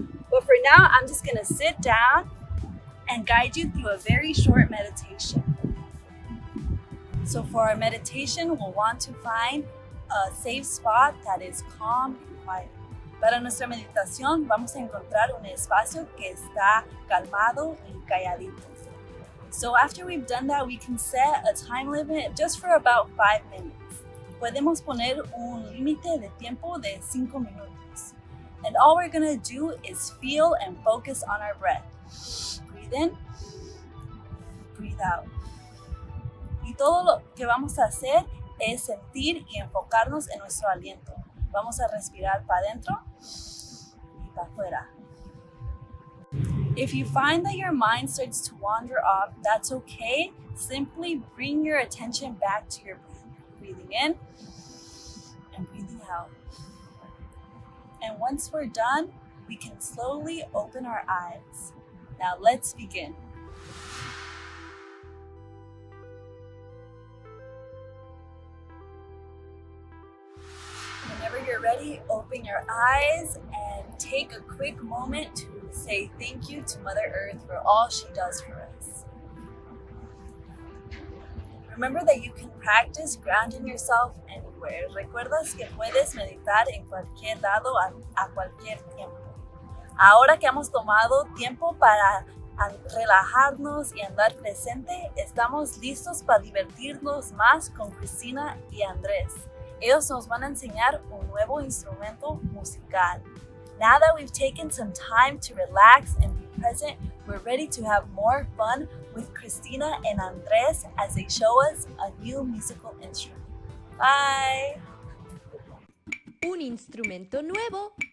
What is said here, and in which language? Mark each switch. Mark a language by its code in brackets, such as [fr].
[en] But for now, I'm just gonna sit down and guide you through a very short meditation. So for our meditation, we'll want to find a safe spot that is calm and quiet. [es] Para nuestra meditación, vamos a encontrar un espacio que está calmado y calladito. [en] So after we've done that, we can set a time limit just for about 5 minutes. [es] Podemos poner un límite de tiempo de 5 minutos. [en] And all we're gonna do is feel and focus on our breath. Breathe in, breathe out. [es] Y todo lo que vamos a hacer es sentir y enfocarnos en nuestro aliento. Vamos a respirar para adentro y para afuera. [en] If you find that your mind starts to wander off, that's okay. Simply bring your attention back to your breath. Breathing in and breathing out. And once we're done, we can slowly open our eyes. Now let's begin. Whenever you're ready, open your eyes and take a quick moment to say thank you to Mother Earth for all she does for us. Remember that you can practice grounding yourself anywhere. [es] Recuerdas que puedes meditar en cualquier lado a cualquier tiempo. Ahora que hemos tomado tiempo para relajarnos y andar presente, estamos listos para divertirnos más con Cristina y Andrés. Ellos nos van a enseñar un nuevo instrumento musical. [en] Now that we've taken some time to relax and be present, we're ready to have more fun with Cristina and Andrés as they show us a new musical instrument. Bye! [es] Un instrumento nuevo.